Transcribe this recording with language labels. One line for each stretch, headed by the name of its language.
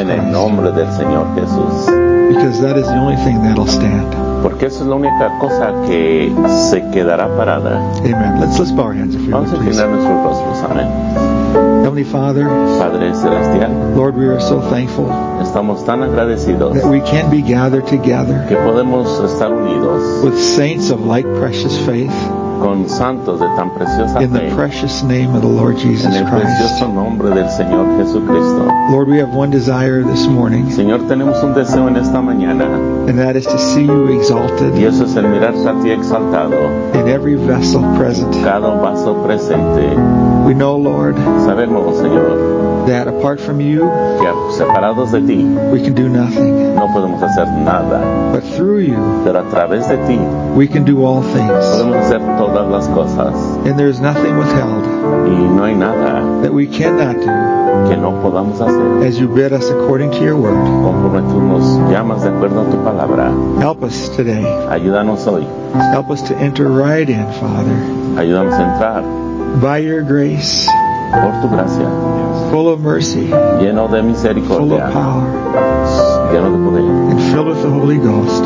Spanish: En el nombre del Señor Jesús.
English: Because that is the only thing that'll stand.
Spanish: Porque esa es la única cosa que se quedará parada.
English: Amen. Let's bow our hands if you would, please.
Spanish: Vamos a inclinar nuestros rostros, amén.
English: Heavenly Father,
Spanish: Padre celestial,
English: Lord, we are so thankful.
Spanish: Estamos tan agradecidos
English: that we can be gathered together.
Spanish: Que podemos estar unidos
English: with saints of like precious faith.
Spanish: Con santos de tan preciosa fe.
English: In the precious name of the Lord Jesus Christ.
Spanish: En el precioso nombre del Señor Jesucristo.
English: Lord, we have one desire this morning.
Spanish: Señor, tenemos un deseo en esta mañana.
English: And that is to see you exalted.
Spanish: Y eso es el mirarte a ti exaltado.
English: In every vessel present.
Spanish: Cada vaso presente.
English: We know, Lord,
Spanish: sabemos, Señor,
English: that apart from you,
Spanish: que separados de ti,
English: we can do nothing.
Spanish: No podemos hacer nada.
English: But through you,
Spanish: pero a través de ti,
English: we can do all things.
Spanish: Podemos hacer todas las cosas.
English: And there is nothing withheld.
Spanish: Y no hay nada
English: that we cannot do.
Spanish: Que no podamos hacer.
English: As you bid us according to your word.
Spanish: Conforme tú nos llamas de acuerdo a tu palabra.
English: Help us today.
Spanish: Ayúdanos hoy.
English: Help us to enter right in, Father.
Spanish: Ayúdanos a entrar.
English: By your grace,
Spanish: por tu gracia,
English: full of mercy,
Spanish: lleno de misericordia,
English: full of power,
Spanish: lleno de poder,
English: and filled with the Holy Ghost,